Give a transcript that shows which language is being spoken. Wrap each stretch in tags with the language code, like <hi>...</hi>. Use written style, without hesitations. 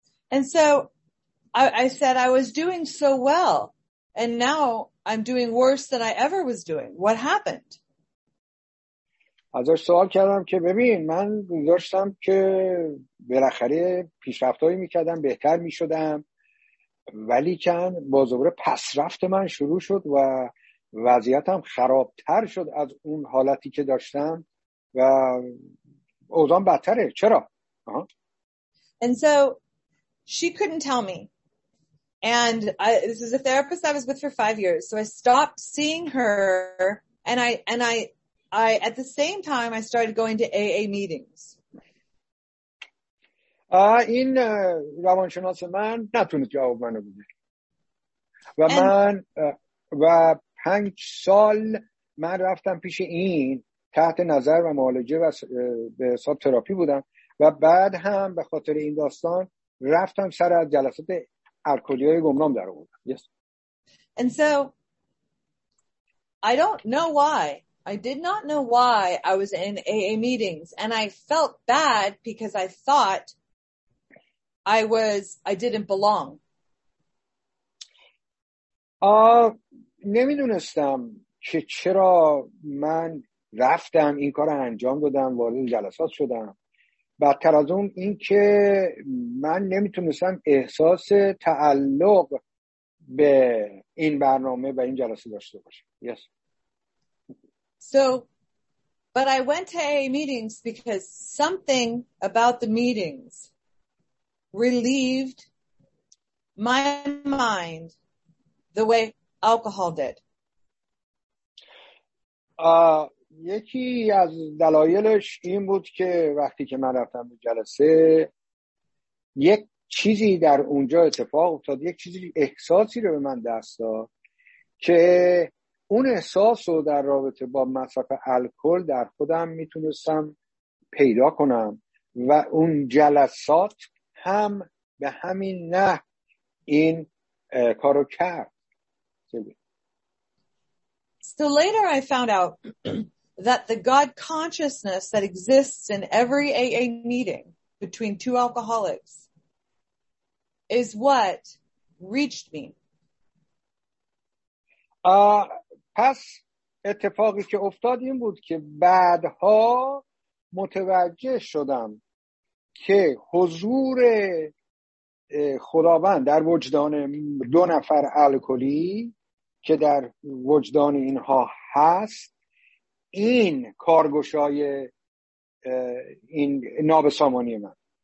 <en>And so I said I was doing so well. And now I'm doing worse than I ever was doing. What happened?</en> <fa>ازش سوال کردم که ببین من گذاشتم که بالاخره پیشرفتایی میکردم، بهتر میشدم، ولی کن بازوره پسرفت من شروع شد و وضعیتم خرابتر شد از اون حالتی که داشتم و اوضاعم بدتره. چرا؟</fa> <en>And so she couldn't tell me. And this is a therapist I was with for 5 years. So I stopped seeing her, and I at the same time I started going to AA meetings.</en> <fa>این روانشناس من نتونست جواب منو بده. و من و 5 سال من رفتم پیش این تحت نظر و معالجه و به حساب تراپی بودم و بعد هم به خاطر این داستان رفتم سر از جلسات الکلی‌های گمنام در آورد.</fa> <en>Yes. And so I don't know why. I did not know why I was in AA meetings and I felt bad because I thought I didn't belong.</en> <fa>نمیدونستم که چرا من رفتم این کار رو انجام دادم، وارد جلسات شدم. بدتر از اون این که من نمیتونستم احساس تعلق به این برنامه و این جلسه داشته باشم.</fa> <en>Yes. So, but I went to AA meetings because something about the meetings relieved my mind the way alcohol did.</en> <fa>یکی از دلایلش این بود که وقتی که من رفتم به جلسه یک چیزی در اونجا اتفاق افتاد، یک چیزی احساسی رو به من دست داد که اون احساس رو در رابطه با مصرف الکل در خودم میتونستم پیدا کنم و اون جلسات هم به همین نه این کارو کرد.</fa> <en>So later I found out that the God consciousness that exists in every AA meeting between two alcoholics is what reached me.</en> <fa>پس اتفاقی که افتاد این بود که بعدها متوجه شدم که حضور خداوند در وجدان دو نفر الکلی که در وجدان اینها هست، این کارگشای این نابسامانی من.</fa>